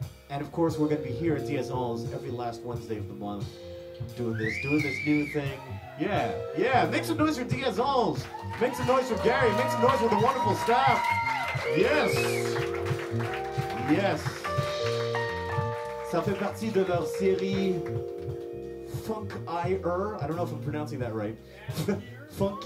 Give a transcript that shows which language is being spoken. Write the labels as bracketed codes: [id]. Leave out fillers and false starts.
[en] And of course, we're going to be here at Dièse Onze every last Wednesday of the month, doing this new thing. Yeah. Make some noise for Dièse Onze. Make some noise for Gary. Make some noise for the wonderful staff. Yes. [fr] Ça fait partie de leur série Funkier. [en] I don't know if I'm pronouncing that right. Funk.